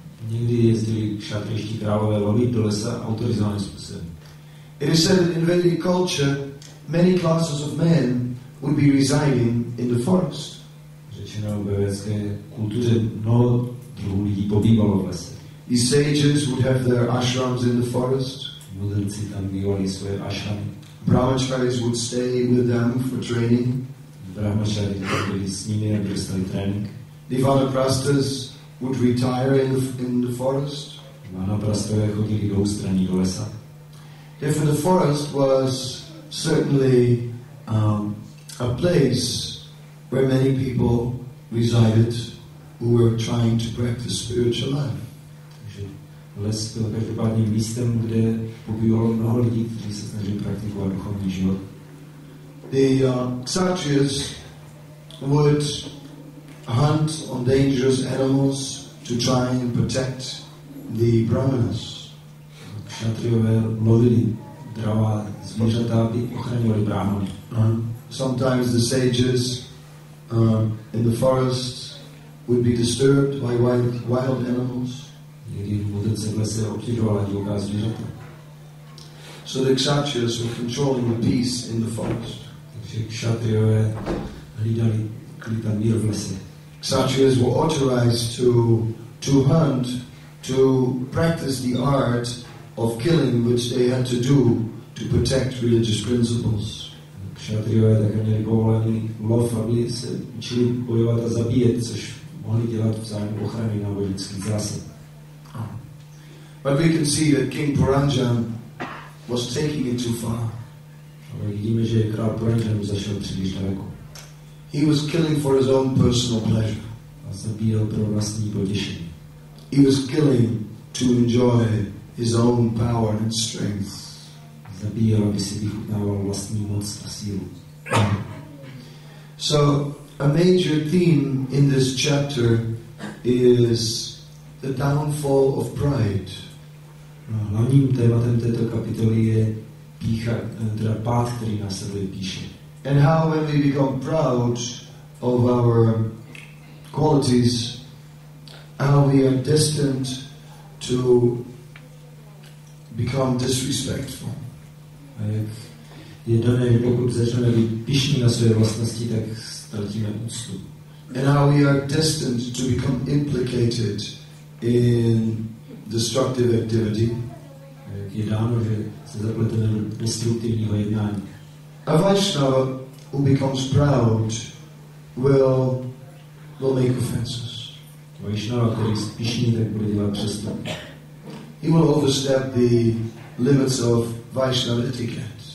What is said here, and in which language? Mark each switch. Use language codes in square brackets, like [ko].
[cs] Někdy jezdili kšatriští králové lovit do lesa autorizovaným způsobem. [en] It is said that in Vedic culture many classes of men would be residing in the forest. [cs] Řečeno ve vedské kultuře mnoho druhů lidí pobývalo v lese. [en] The sages would have their ashrams in the forest. [cs] Mudrci tam bývali své ashramy. [en] Brahmacharis would stay with them for training. [cs] Brahmacharis byli s nimi a dostali trénink. [en] The vanaprastas would retire in the forest. [cs] Vanaprastové chodili do ústraní do lesa. [en] Therefore, the forest was certainly a place where many people resided who were trying to practice spiritual life. [cs] Takže les byl každopádně místem, kde pobývalo mnoho lidí, kteří se snažili praktikovat duchovní život. [en] The Kshatriyas would hunt on dangerous animals to try and protect the Brahmanas. [cs] Kshatriyové lovili dravá zvířata, aby ochraňovali Brahmany. [en] Sometimes the sages in the forest would be disturbed by wild animals. [cs] Někdy mudrce v lese obtěžovala divoká zvířata. [en] So the Kshatriyas were controlling the peace in the forest. [cs] Takže Kshatriyové hlídali klid a mír v lese. [en] Kshatriyas were authorized to hunt, to practice the art of killing, which they had to do to protect religious principles. [cs] Kshatriyové také měli povolený lov, aby se učili bojovat a zabíjet, což mohli dělat v zájmu ochrany náboženských zásad. [en] But we can see that King Puranjan was taking it too far. [cs] Ale vidíme, že král Puranjan zašel příliš daleko. [en] He was killing for his own personal pleasure. [cs] A zabíjel pro vlastní potěšení. [en] He was killing to enjoy his own power and strength. [cs] Zabíjel, aby si vychutnával vlastní moc a sílu. [en] So a major theme in this chapter is the downfall of pride. [cs] No, hlavním tématem této kapitoly je pícha, teda pád, který následuje píše. [en] And how when we become proud of our qualities, how we are destined to become disrespectful. [cs] A jak je dané, že pokud začneme být pyšní na své vlastnosti, tak ztratíme úctu. [en] And how we are destined to become implicated in destructive activity. [cs] A jak je dáno, že se zapleteme do destruktivního jednání. [en] A Vaishnava who becomes proud will will make offenses. [cs] Vaishnava, který je pyšný, tak bude dělat přestupky. [en] He will overstep the limits of Vaishnava etiquette.